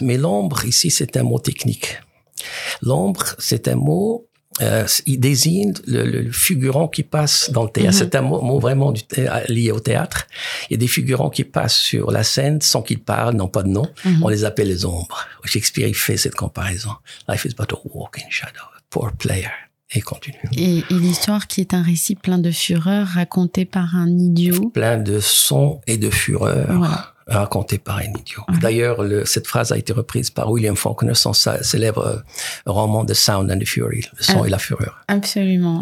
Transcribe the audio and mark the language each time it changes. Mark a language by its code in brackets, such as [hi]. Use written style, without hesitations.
[fr] Mais l'ombre, ici, c'est un mot technique. L'ombre, c'est un mot... il désigne le figurant qui passe dans le théâtre. Mmh. C'est un mot vraiment lié au théâtre. Il y a des figurants qui passent sur la scène sans qu'ils parlent, n'ont pas de nom. Mmh. On les appelle les ombres. Shakespeare fait cette comparaison. [en] Life is but a walking shadow, a poor player. [fr] Et continue. Et l'histoire qui est un récit plein de fureur raconté par un idiot. Plein de sons et de fureur. Voilà. Raconté par un idiot. Okay. D'ailleurs, cette phrase a été reprise par William Faulkner, son célèbre roman The Sound and the Fury, le son et la fureur. Absolument.